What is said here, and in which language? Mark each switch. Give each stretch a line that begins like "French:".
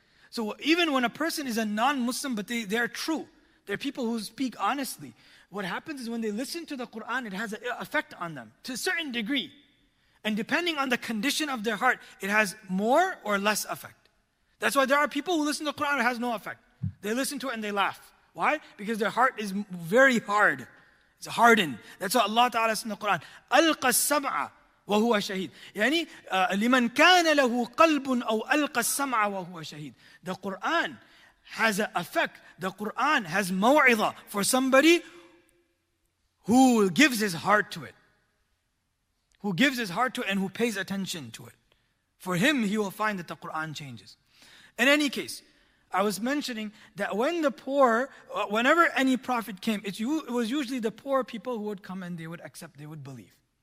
English: So even when a person is a non-Muslim, but they are true, they're people who speak honestly, what happens is when they listen to the Quran, it has an effect on them to a certain degree. And depending on the condition of their heart, it has more or less effect. That's why there are people who listen to the Quran, it has no effect. They listen to it and they laugh. Why? Because their heart is very hard. It's hardened. That's what Allah Ta'ala says in the Quran.
Arabic: أَلْقَ السَّمْعَ وَهُوَ شَهِيدٌ. يعني لِمَنْ كَانَ لَهُ قَلْبٌ أَوْ أَلْقَ السَّمْعَ وَهُوَ شَهِيدٌ.
English: The Quran has an effect. The Quran has maw'idha for somebody who gives his heart to it. Who gives his heart to it and who pays attention to it. For him, he will find that the Quran changes. In any case, I was mentioning that when the poor, whenever any prophet came, it was usually the poor people who would come and they would accept, they would believe.